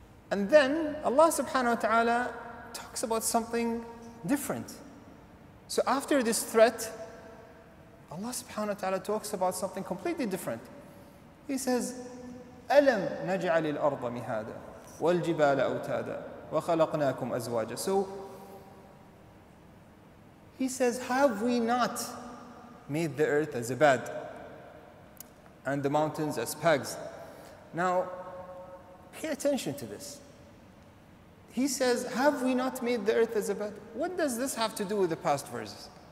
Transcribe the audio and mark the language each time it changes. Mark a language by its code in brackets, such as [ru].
[en] And then Allah subhanahu wa ta'ala talks about something different. So after this threat, Allah subhanahu wa ta'ala talks about something completely different. [ar] He says, أَلَمْ نَجْعَلِ الْأَرْضَ مِهَادًا وَالْجِبَالَ أَوْتَادًا وَخَلَقْنَاكُمْ أَزْوَاجًا. [en] So, he says, have we not made the earth as a bed and the mountains as pegs? Now, pay attention to this. He says, have we not made the earth as a bed? What does this have to do with the past verses?